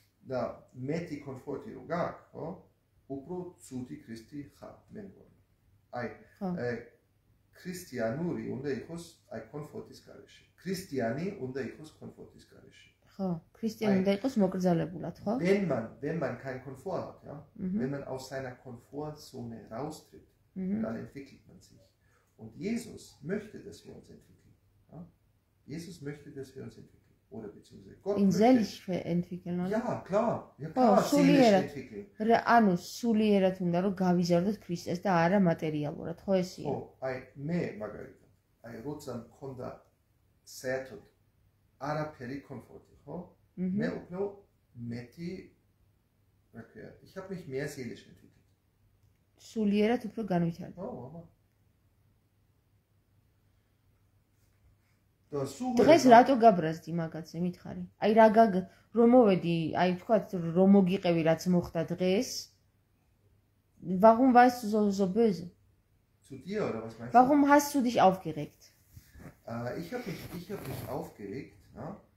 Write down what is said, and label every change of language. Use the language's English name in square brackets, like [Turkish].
[Georgian] და მეტი კომფორტი რო გაქვს, ხო? უფრო ცუდი ქრისტი ხარ, მე მგონი. აი ქრისტიანური უნდა იყოს აი კომფორტის გარეშე. ქრისტიანი უნდა იყოს კომფორტის გარეშე. ხო, ქრისტიანი უნდა იყოს მოკრძალებულად, ხო? [German] Wenn man kein Komfort hat, ja? Wenn man aus seiner Komfortzone raustritt, dann entwickelt man sich. Und Jesus möchte, dass wir uns entwickeln, ja? Jesus möchte, dass wir uns entwickeln oder beziehungsweise Gott in selbst entwickeln. Ja, klar. Ja, [Georgian] ანუ სულიერად უნდა რომ გავიზარდოთ ქრისტეს და არა მატერიალურად, ხო ესეა? ხო, აი მე მაგალითად, აი როცა მქონდა საერთოდ არაფერი კომფორტი, ხო? მე უფრო მეტი ვაქვი. [German] Ich habe mich mehr seelisch entwickelt. [Georgian] სულიერად უფრო განვითარდა. ხო, აბა. დღეს რატო გაბრაზდი მაგაზე მითხარი? აი რა გაგ რომოვედი, აი თქვა რომ მოგიყევი რაც მოხდა დღეს. [German] Warum warst du so böse? Zu dir oder was meinst du? Warum hast du dich aufgeregt? Ich habe mich aufgeregt, ja?